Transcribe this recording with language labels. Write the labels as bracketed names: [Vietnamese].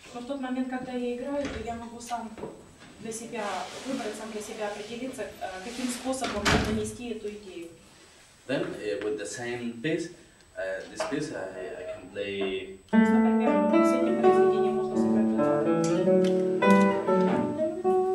[Russian] Но в тот момент, когда я играю, то я могу сам для себя выбрать, сам для себя определиться, каким способом донести эту идею. [English] Then, with the same piece, this piece, I can play... [Russian] Например, с этим произведением можно сыграть.